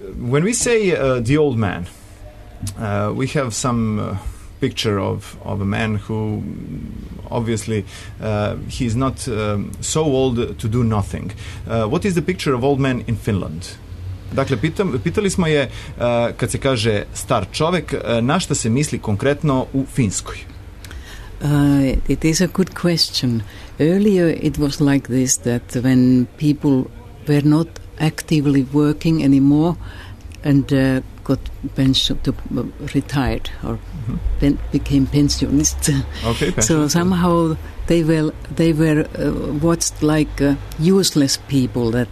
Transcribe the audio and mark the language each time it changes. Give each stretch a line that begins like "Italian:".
English: When we say the old man, we have some picture of a man who obviously he's not so old to do nothing. What is the picture of old man in Finland?
Serbian: Dakle, pitali smo je kad se kaže star čovek, na šta se misli konkretno u Finskoj?
English: It is a good question. Earlier it was like this, that when people were not actively working anymore and got pension to retired or became pensionists. Okay, pensionist. So somehow they were watched like useless people.